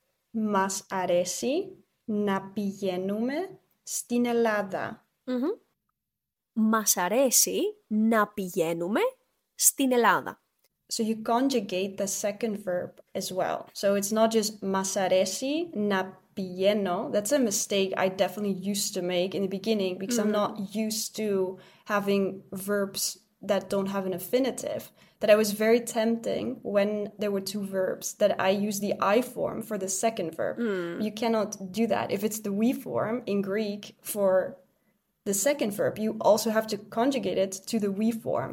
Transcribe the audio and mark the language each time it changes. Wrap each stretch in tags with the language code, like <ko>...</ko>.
<el>Μας αρέσει να πηγαίνουμε στην Ελλάδα. Mm-hmm. Μας αρέσει να πηγαίνουμε στην Ελλάδα.</el> <en>So you conjugate the second verb as well. So it's not just</en> <el>μας αρέσει να πηγαίνω.</el> <en>That's a mistake I definitely used to make in the beginning because I'm not used to having verbs that don't have an affinitive. That I was very tempting when there were two verbs that I use the I form for the second verb. You cannot do that. If it's the we form in Greek for the second verb, you also have to conjugate it to the we form.</en>